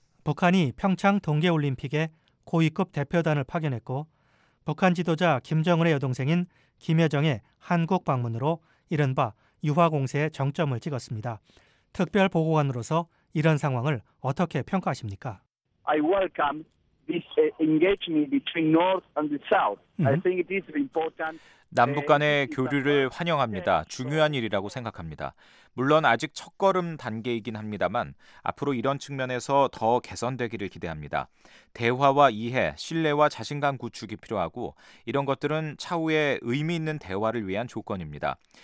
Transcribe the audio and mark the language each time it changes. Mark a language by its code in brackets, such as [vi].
[ko] 북한이 평창 동계올림픽에 고위급 대표단을 파견했고 북한 지도자 김정은의 여동생인 김여정의 한국 방문으로 이른바 유화공세의 정점을 찍었습니다. 특별보고관으로서 이런 상황을 어떻게 평가하십니까? [en] I welcome this engagement between North and the South. I think it is important. [ko] 남북 간의 교류를 환영합니다. 중요한 일이라고 생각합니다. 물론 아직 첫걸음 단계이긴 합니다만 앞으로 이런 측면에서 더 개선되기를 기대합니다. 대화와 이해, 신뢰와 자신감 구축이 필요하고 이런 것들은 차후에 의미 있는 대화를 위한 조건입니다.